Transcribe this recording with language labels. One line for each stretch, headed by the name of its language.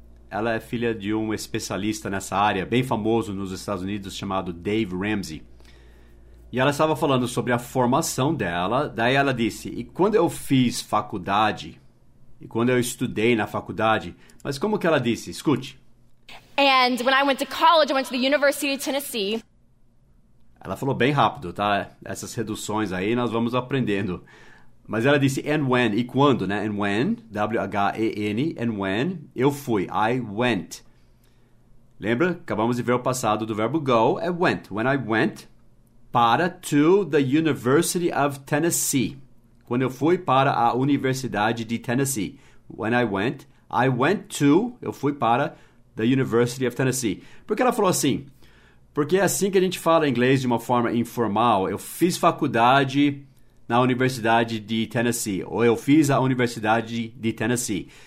Portuguese: Ela é filha de um especialista nessa área, bem famoso nos Estados Unidos, chamado Dave Ramsey. E ela estava falando sobre a formação dela. Daí ela disse, e quando eu fiz faculdade, e quando eu estudei na faculdade, mas como que ela disse? Escute.
English: And when I went to college, I went to the University of Tennessee.
Portuguese: Ela falou bem rápido, tá? Essas reduções aí nós vamos aprendendo. Mas ela disse,
English: and when,
Portuguese: e quando, né?
English: And when, W-H-E-N, and when,
Portuguese: eu fui,
English: I went.
Portuguese: Lembra? Acabamos de ver o passado do verbo go, é went.
English: When I went para to the University of Tennessee.
Portuguese: Quando eu fui para a Universidade de Tennessee.
English: When I went to,
Portuguese: eu fui para the University of Tennessee. Por que ela falou assim? Porque é assim que a gente fala inglês de uma forma informal. Eu fiz faculdade... na Universidade de Tennessee, ou eu fiz a Universidade de Tennessee.